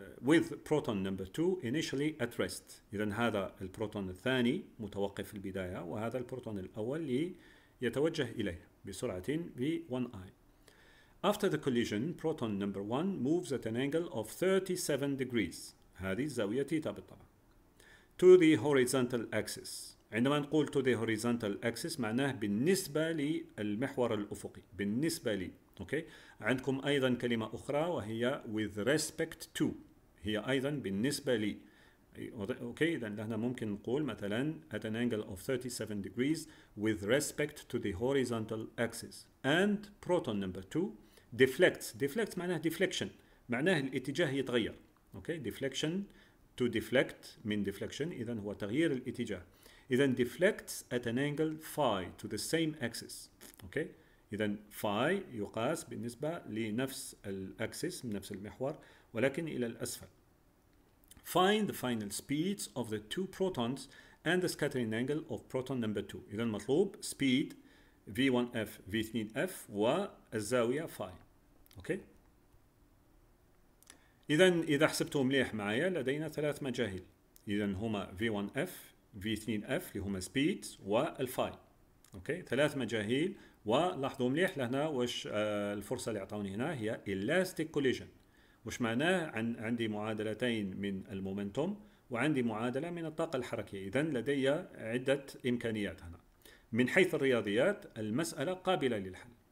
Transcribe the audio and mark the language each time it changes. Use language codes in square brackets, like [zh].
[en] With proton number 2 initially at rest. [ar] إذا هذا البروتون الثاني متوقف في البداية، وهذا البروتون الأول اللي يتوجه إليه بسرعة V1i. [en] After the collision, proton number 1 moves at an angle of 37 degrees. [ar] هذه زاوية تيتا بالطبع. [en] To the horizontal axis. [ar] عندما نقول [en] to the horizontal axis [ar] معناه بالنسبة للمحور الأفقي. بالنسبة لي. أوكي. عندكم أيضا كلمة أخرى وهي with respect to. هي أيضا بالنسبة لي. أوكي. إذن هنا ممكن نقول مثلا [en] at an angle of 37 degrees with respect to the horizontal axis. And proton number 2 deflects. Deflects معناه deflection. [ar] معناه الاتجاه يتغير. Okay, deflection to deflect من deflection، إذن هو تغيير الاتجاه. [en] إذن deflects at an angle phi to the same axis. [ar] Okay, إذن phi يقاس بالنسبة لنفس الأكسس، نفس المحور، ولكن إلى الأسفل. [en] Find the final speeds of the two protons and the scattering angle of proton number 2. [ar] إذن مطلوب speed v1f v2f والزاوية phi. [en] Okay. [ar] إذا حسبته مليح معايا لدينا ثلاث مجاهيل، إذا هما V1F V2F اللي هما speed والفاي، أوكي، ثلاث مجاهيل. ولاحظوا مليح لهنا واش الفرصة اللي عطوني هنا، هي elastic collision، واش معناه عندي معادلتين من المومنتوم وعندي معادلة من الطاقة الحركية، إذا لدي عدة إمكانيات هنا من حيث الرياضيات، المسألة قابلة للحل.